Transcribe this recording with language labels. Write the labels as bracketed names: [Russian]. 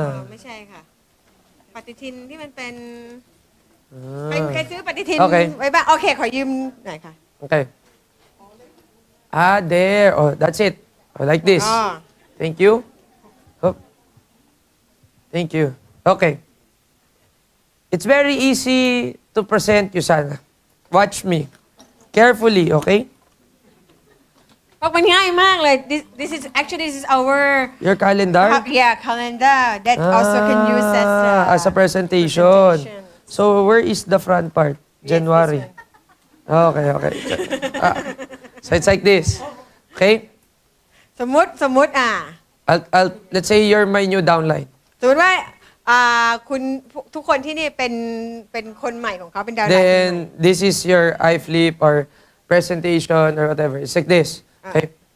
[Thai] ไม่ใช่ค่ะปฏิทินที่มันเป็นใครซื้อปฏิทินไว้บ้างโอเคขอยืมหน่อยค่ะ [English] โอเคAh, there. Oh, that's it. Oh, like this. Thank you. Oh. Thank you. Okay. It's very easy to present, Yusana. Watch me. Carefully, okay? Pag manyay mag, like, this is our... Your calendar? Calendar. That also can use as a presentation. So, where is the front part? January. Yes, okay. So it's like this, okay? [Thai] สมมติ [English] I'll let's say you're my new downline. [Thai] สมมติว่าคุณทุกคนที่นี่เป็นคนใหม่ของเขาเป็นดาวไลน์ [English] Then this is your eye flip or presentation or whatever. It's like this, okay?